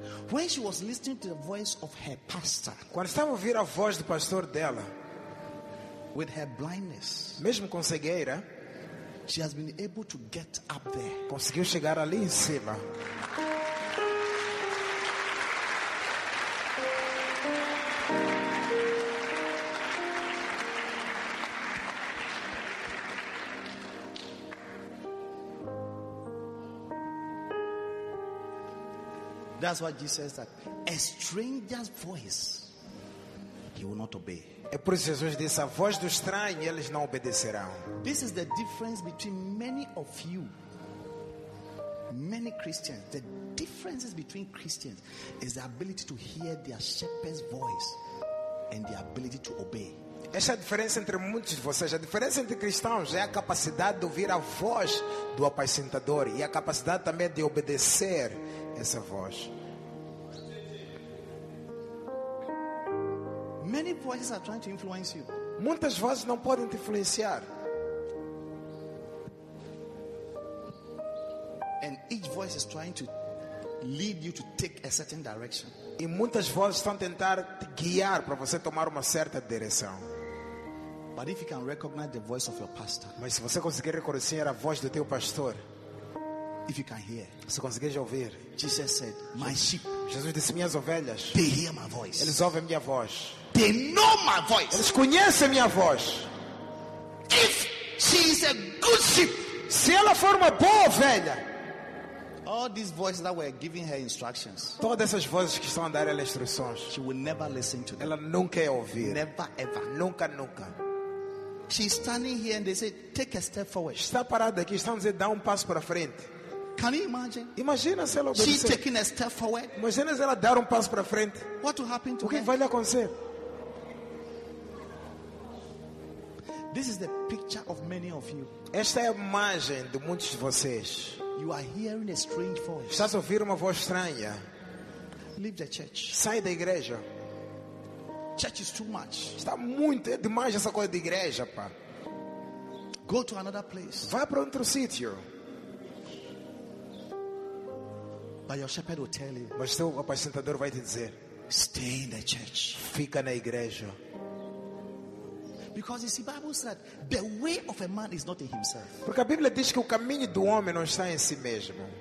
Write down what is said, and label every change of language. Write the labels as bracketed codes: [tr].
[en] When she was listening to the voice of her pastor, [pt] quando estava a ouvir a voz do pastor dela, [en] with her blindness, [pt] mesmo com cegueira, [en] she has been able to get up there. [pt] Conseguiu chegar ali em cima. [en] That's what Jesus said. A stranger's voice, he will not obey. [pt] É por isso que Jesus disse: a voz do estranho, eles não obedecerão. [en] This is the difference between many of you, many Christians. The differences between Christians is the ability to hear their shepherd's voice and the ability to obey. [pt] Essa é a diferença entre muitos de vocês. A diferença entre cristãos é a capacidade de ouvir a voz do apacentador e a capacidade também de obedecer essa voz. [en] Many voices are trying to influence you. [pt] Muitas vozes não podem te influenciar. [en] And each voice is trying to lead you to take a certain direction. [pt] E muitas vozes estão tentar te guiar para você tomar uma certa direção. [en] But if you can recognize the voice of your pastor. [pt] Mas se você conseguir reconhecer a voz do teu pastor. [en] If you can hear, [pt] se conseguir já ouvir, [en] Jesus said, "My sheep." [pt] Jesus disse, minhas ovelhas. [en] They hear my voice. [pt] Eles ouvem minha voz. [en] They know my voice. [pt] Eles conhecem minha voz. [en] If she is a good sheep, [pt] se ela for uma boa ovelha, [en] all these voices that were giving her instructions, [pt] todas essas vozes que estão a dar ela instruções, [en] she will never listen to them. [pt] Ela nunca ia ouvir. [en] Never ever. [pt] Nunca, nunca. [en] She's standing here and they say, "Take a step forward." [pt] Está parada aqui, estão a dizer, dá passo para frente. [en] Can you imagine? [pt] Imagina se ela [en] obedecer. She's taking a step forward. [pt] Imagina se ela dar passo para frente. [en] What will happen to [pt] her? O que vai lhe acontecer? [en] This is the picture of many of you. [pt] Esta é a imagem de muitos de vocês. [en] You are hearing a strange voice. [pt] Estás a ouvir uma voz estranha. [en] Leave the church. [pt] Sai da igreja. [en] Church is too much. [pt] Está muito, é demais essa coisa de igreja, pá. [en] Go to another place. [pt] Vai para outro sítio. [en] But your shepherd will tell you. [pt] Mas teu apacentador vai te dizer. [en] Stay in the church. [pt] Fica na igreja. [en] Because the Bible said the way of a man is not in himself. [pt] Porque a Bíblia diz que o caminho do homem não está em si mesmo.